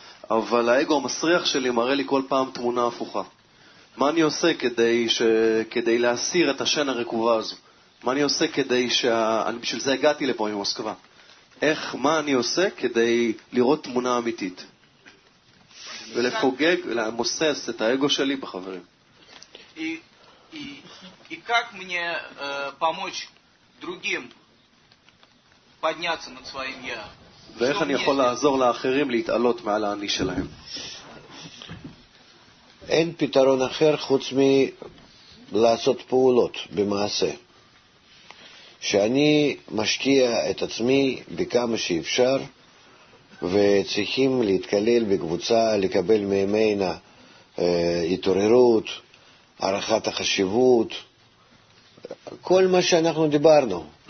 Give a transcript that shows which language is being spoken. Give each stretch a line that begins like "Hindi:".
Hebrew: אבל האגו המסריח שלי מראה לי כל פעם תמונה הפוכה. מה אני עושה כדי להסיר את השן הרקובה הזו? מה אני עושה כדי אני בשביל זה הגעתי לפה ממוסקבה. איך, מה אני עושה כדי לראות תמונה אמיתית? ולפוגג, למוסס את האגו שלי בחברים.
Russian: И как мне помочь другим подняться над своим я?
Hebrew: ואיך אני יכול לעזור לאחרים להתעלות מעל האני שלהם? אין פתרון אחר חוץ מלעשות פעולות במעשה. שאני משקיע את עצמי בכמה שאפשר, וצריכים להתקלל בקבוצה, לקבל מימינה התעוררות, ערכת החשיבות, כל מה שאנחנו דיברנו.